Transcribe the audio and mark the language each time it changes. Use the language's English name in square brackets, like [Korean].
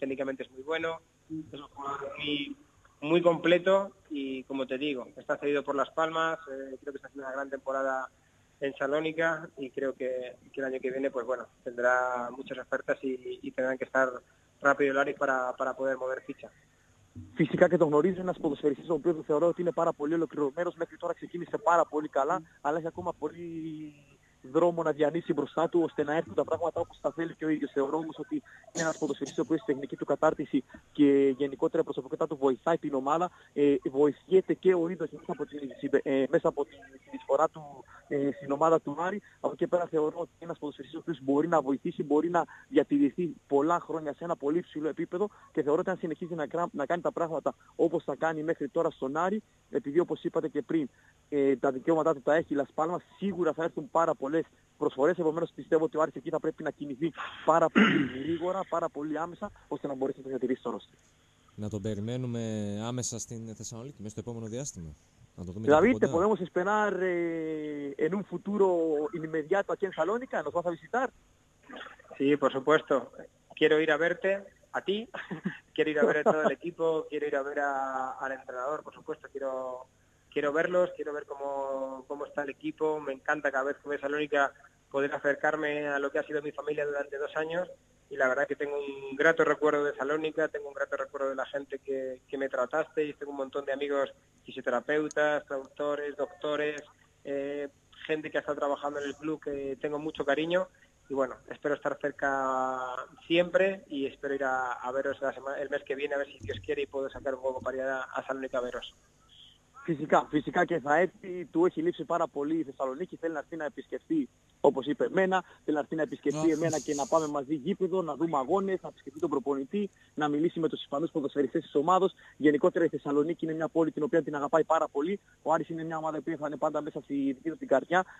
[Spanish] Técnicamente es muy bueno, es un jugador muy, muy completo y como te digo, está cedido por Las Palmas, creo que está haciendo una gran temporada en Salónica y creo que el año que viene pues bueno tendrá muchas ofertas y tendrán que estar rápido el Aris para poder mover ficha. [Greek] Φυσικά και το γνωρίζω, ένας ποδοσφαιριστής ο οποίος θεωρώ ότι είναι πάρα πολύ ολοκληρωμένος, μέχρι τώρα ξεκίνησε πάρα πολύ καλά, αλλά έχει ακόμα πολύ δρόμο να διανύσει μπροστά του ώστε να έρθουν τα πράγματα όπως τα θέλει και ο ίδιος. Θεωρώ όμως ότι είναι ένας ποδοσφαιριστής ο οποίος στην τεχνική του κατάρτιση και γενικότερα προσωπικότητά του βοηθάει την ομάδα. Βοηθιέται και ο ίδιος μέσα από την συνεισφορά του στην ομάδα του Άρη. Από εκεί πέρα θεωρώ ότι ένας ποδοσφαιριστής ο οποίος μπορεί να βοηθήσει, μπορεί να διατηρηθεί πολλά χρόνια σε ένα πολύ υψηλό επίπεδο και θεωρώ ότι αν συνεχίζει να κάνει τα πράγματα όπως θα κάνει μέχρι τώρα στον Άρη, επειδή όπως είπατε και πριν τα δικαιώματά του τα έχει η Λας Πάλμας, σίγουρα θα έρθουν πάρα πολλές προσφορές. Επομένως πιστεύω ότι ο Άρης εκεί θα πρέπει να κινηθεί πάρα πολύ γρήγορα, πάρα πολύ άμεσα, ώστε να μπορέσει να το διατηρήσει το ρόστερ. Να τον περιμένουμε άμεσα στην Θεσσαλονίκη, μέσα στο επόμενο διάστημα. Να το δούμε. [Spanish] David, ¿te podemos esperar en un futuro inmediato aquí en Salónica? ¿Nos vas a visitar? Sí, por supuesto. Quiero ir a verte, a ti. Quiero ir a ver a todo el equipo. Quiero ir a ver al entrenador, por supuesto. Quiero verlos, quiero ver cómo está el equipo. Me encanta cada vez que voy a Salónica poder acercarme a lo que ha sido mi familia durante 2 años. y la verdad que tengo un grato recuerdo de Salónica, tengo un grato recuerdo de la gente que me trataste, y tengo un montón de amigos, fisioterapeutas, traductores, doctores, gente que ha estado trabajando en el club, que tengo mucho cariño, y bueno, espero estar cerca siempre y espero ir a veros la semana, el mes que viene, a ver si Dios quiere y puedo sacar un huevo para ir a Salónica a veros. [Greek] Φυσικά και θα έρθει. Του έχει λείψει πάρα πολύ η Θεσσαλονίκη. Θέλει να έρθει να επισκεφτεί, όπως είπε εμένα, θέλει να έρθει να επισκεφτεί εμένα και να πάμε μαζί γήπεδο, να δούμε αγώνες, να επισκεφτεί τον προπονητή, να μιλήσει με τους Ισπανούς ποδοσφαιριστές της ομάδος. Γενικότερα η Θεσσαλονίκη είναι μια πόλη την οποία την αγαπάει πάρα πολύ. Ο Άρης είναι μια ομάδα που θα είναι πάντα μέσα στη δική του την καρδιά.